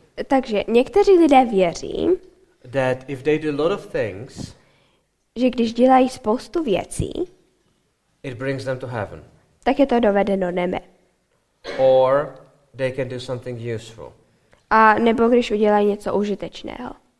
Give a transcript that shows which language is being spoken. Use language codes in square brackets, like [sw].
[cs] Takže někteří lidé věří. [en] That if they do a lot of things. [cs] Že když dělají spoustu věcí, [en] it brings them to heaven. [cs] Tak je to dovede do nebe. [en] Or they can do something useful. [cs] A nebo když udělají něco užitečného.